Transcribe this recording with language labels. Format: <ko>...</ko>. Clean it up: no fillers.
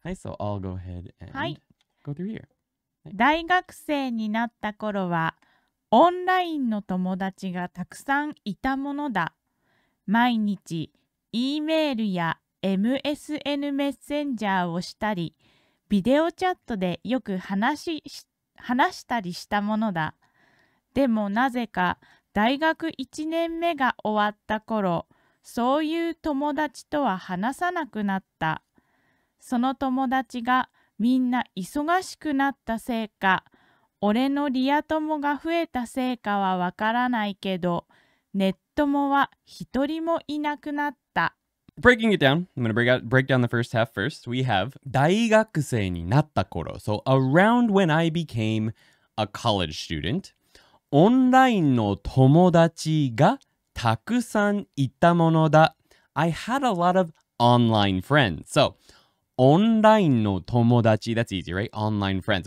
<en>はい、so I'll go ahead and、はい、go through here.</en> <ja>大学生になった頃は、オンラインの友達がたくさんいたものだ。毎日、E メールや MSN メッセンジャーをしたり、ビデオチャットでよく話したりしたものだ。でもなぜか、大学1年目が終わった頃、そういう友達とは話さなくなった。その友達がみんな忙しくなったせいか、俺のリア友が増えたせいかはわからないけど、ネット友は一人もいなくなった。</ja> <en>Breaking it down, I'm going to break down the first half first. We have</en> <ja>大学生になった頃</ja> <en>So around when I became a college student,</en> <ja>オンラインの友達がたくさんいたものだ。</ja> <en>I had a lot of online friends. So オンラインの友達 That's easy, right? Online friends.</en>